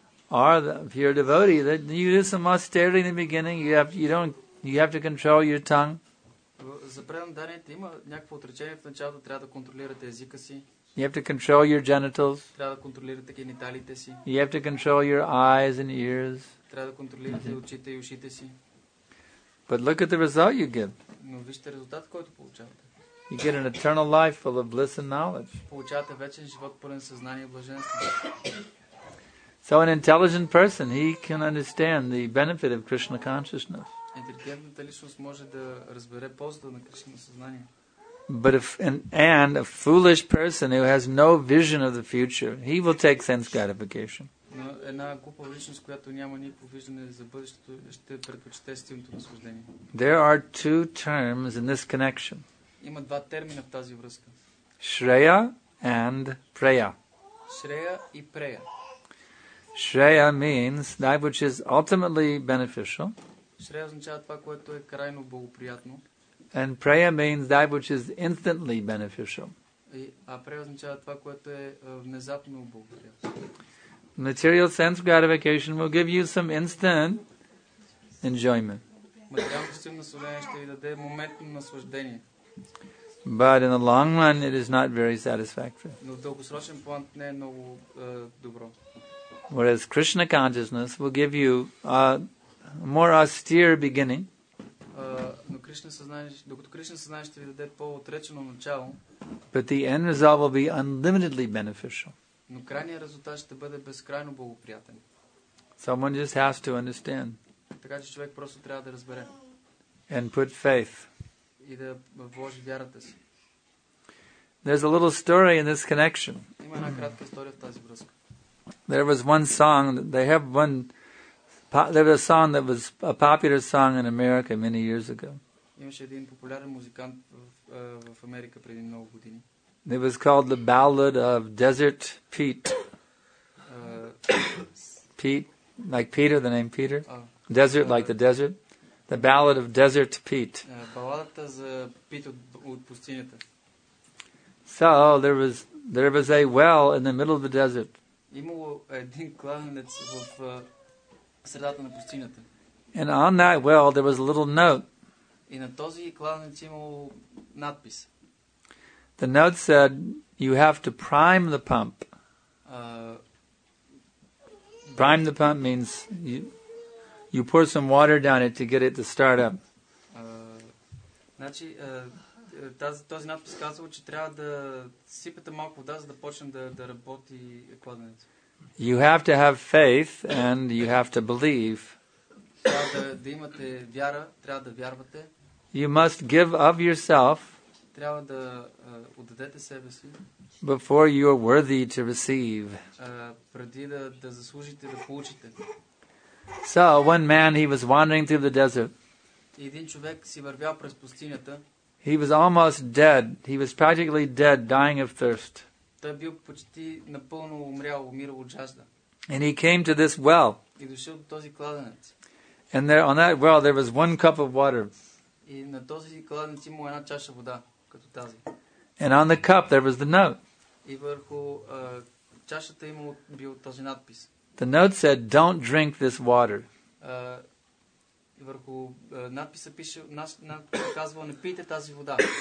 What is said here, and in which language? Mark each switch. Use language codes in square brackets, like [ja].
[en] Or if you're a devotee, that you do some austerity in the beginning, you have to control your tongue. [bg] За преданите има някакво отречение в началото, трябва да контролирате езика си. [en] You have to control your genitals. [bg] Трябва да контролирате гениталите си. [en] You have to control your eyes and ears. [bg] Трябва да контролирате очите и ушите си. [en] But look at the result you get. [bg] Но вижте резултат, който получавате. [en] You get an eternal life full of bliss and knowledge. [bg] Получавате вечен живот пълен съзнание и блаженство. [en] So an intelligent person, he can understand the benefit of Krishna consciousness. [bg] Интелигентната личност може да разбере ползата на Кришна съзнание. [en] But if and a foolish person who has no vision of the future, he will take sense gratification. [bg] Но една глупа личност, която няма никакво виждане за бъдещето, ще предпочете стилното наслаждение. [en] There are two terms in this connection. [bg] Има два термина в тази връзка. [en] Shreya and Preya. [bg] Shreya и Preya. [en] Shreya means that which is ultimately beneficial. [bg] Shreya означава това, което е крайно благоприятно. [en] And Preya means that which is instantly beneficial. [bg] А Preya означава това, което е внезапно благоприятно. [en] Material sense gratification will give you some instant enjoyment. [bg] Материалното стимулирано наслаждение ще ви даде моментно наслаждение. [en] But in the long run it is not very satisfactory. [bg] Но в дългосрочен план не е много добро. [en] Whereas Krishna consciousness will give you a more austere beginning. [bg] Krishna ще ви даде по-отречено начало. [en] But the end result will be unlimitedly beneficial. [bg] Но крайният резултат ще бъде безкрайно благоприятен. [en] Someone just has to understand. [bg] Така че човек просто трябва да разбере. [en] And put faith. [bg] И да вложи вярата си. [en] There's a little story in this connection. [bg] Има една кратка история в тази връзка. [en] There was one song they have one there was a song that was a popular song in America many years ago. [bg] Имаше един популярен музикант в Америка преди много години. [en] It was called the Ballad of Desert Pete. Pete, like Peter, the name Peter. Desert, like the desert. The Ballad of Desert Pete. [bg] Баладата за Пит от пустинята. [en] So there was a well in the middle of the desert. [bg] Имало един кладенец в средата на пустинята. [en] And on that well there was a little note. [bg] И на този кладенец имало надпис. [en] The note said you have to prime the pump. Prime the pump means you pour some water down it to get it to start up. [bg] Значи този надпис казва, че трябва да сипете малко вода, за да почне да работи кладенец. [en] You have to have faith and you have to believe. [bg] Да имате вяра, трябва да вярвате. [en] You must give of yourself. [bg] Трябва да отдадете себе си. [en] Before you are worthy to receive. [bg] Преди да заслужите да получите. [en] So one man, he was wandering through the desert. [bg] Един човек си вървял през пустинята. [en] He was almost dead. He was practically dead, dying of thirst. [bg] Той бил почти напълно умрял, умирал от жажда. [en] And he came to this well. [bg] И дошъл до този кладенец. [en] And there on that well there was one cup of water. [bg] И на този кладенец имало една чаша вода, като тази. [en] And on the cup there was the note. [bg] И върху чашата имало бил този надпис. [en] The note said, "Don't drink this water." [bg] Върху надписа пише, казва, не пийте тази вода.